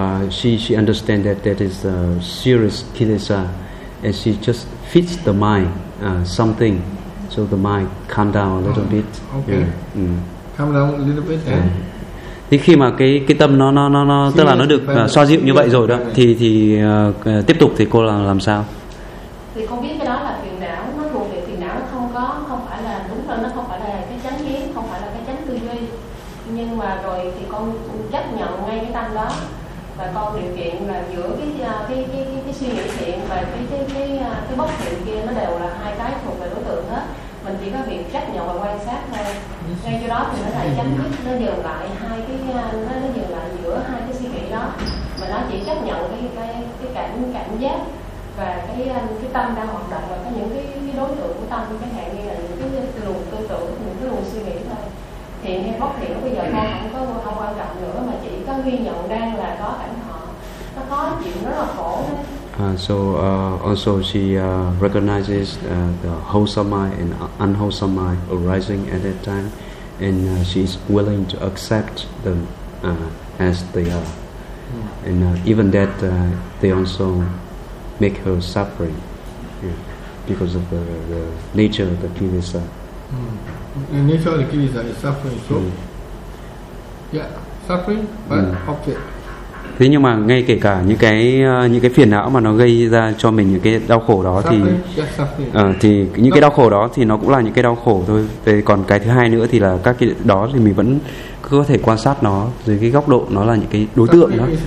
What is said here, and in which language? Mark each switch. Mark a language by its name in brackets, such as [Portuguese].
[English] She understand that is a serious kilesa, and she just fits the mind something, so the mind calm down a little bit. Okay. Yeah. Calm down a little bit. [Vietnamese] Thì khi mà cái tâm nó tức là nó được xoa dịu như vậy rồi đó, thì tiếp tục thì cô làm sao? Thì cô biết cái đó là phiền não, nó thuộc về phiền não, không phải là đúng là nó không phải là cái chánh kiến, không phải là cái chánh tư duy. Nhưng mà rồi thì con chấp nhận ngay cái tâm đó, và con điều kiện là giữa cái suy nghĩ thiện và cái bất thiện kia, nó đều là hai cái thuộc về đối tượng hết. Mình chỉ có việc chấp nhận và quan sát thôi. Ngay chỗ đó thì nó lại chấm dứt, nó dừng lại hai cái, nó dừng lại giữa hai cái suy nghĩ đó, mà nó chỉ chấp nhận cái cảm giác và cái tâm đang hoạt động và có những cái đối tượng của tâm, chẳng hạn như là những cái luồng tư tưởng, những cái luồng suy nghĩ thôi. Thiện hay bất thiện bây giờ con không quan trọng nữa, mà chỉ có ghi nhận đang là có cảnh họ, nó có chuyện rất là khổ thôi. [English] Also she recognizes the wholesome mind and unwholesome mind arising at that time, and she is willing to accept them as they are, and even that they also make her suffering because of the nature of the kilesa. The nature of the kilesa is suffering, so suffering but object. [Vietnamese] Thế nhưng mà ngay kể cả những cái phiền não mà nó gây ra cho mình những cái đau khổ đó, thì những cái đau khổ đó thì nó cũng là những cái đau khổ thôi. Về còn cái thứ hai nữa thì là các cái đó thì mình vẫn cứ có thể quan sát nó dưới cái góc độ nó là những cái đối tượng đó.